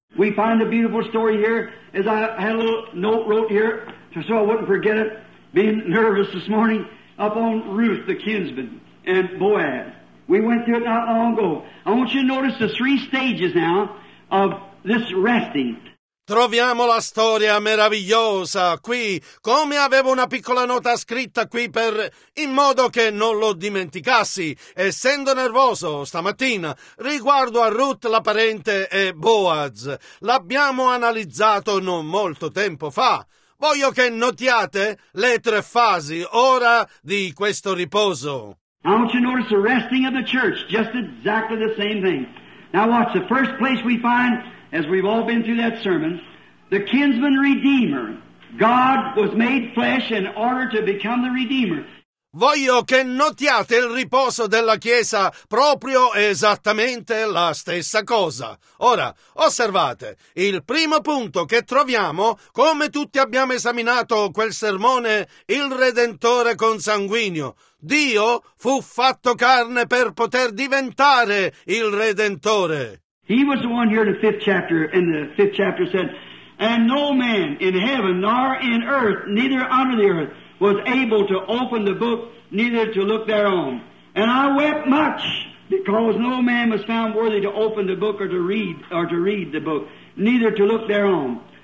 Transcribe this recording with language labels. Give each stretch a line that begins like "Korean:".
English: We find a beautiful story here, as I had a little note wrote here, so I wouldn't forget it, being nervous this morning, up on Ruth, the kinsman, and Boaz. We went through it not long ago. I want you to notice the 3 stages now of this resting.
Italian: Troviamo la storia meravigliosa qui, come avevo una piccola nota scritta qui per in modo che non lo dimenticassi, essendo nervoso stamattina, riguardo a Ruth, la parente, e Boaz. L'abbiamo analizzato non molto tempo fa. Voglio che notiate le 3 fasi ora di questo riposo.
English: Now don't you notice the resting of the church, just exactly the same thing. Now watch, the first place we find, as we've all been through that sermon, the kinsman redeemer. God was made flesh in order to become the redeemer.
Italian: Voglio che notiate il riposo della Chiesa proprio esattamente la stessa cosa. Ora, osservate, il primo punto che troviamo, come tutti abbiamo esaminato quel sermone, il Redentore consanguigno. Dio fu fatto carne per poter diventare il Redentore.
English: He was the one here in the fifth chapter, and the fifth chapter said, and no man in heaven nor in earth, neither under the earth, was able to open the book, neither to look thereon. And I wept much, because no man was found worthy to open the book or to read the book, neither to look thereon.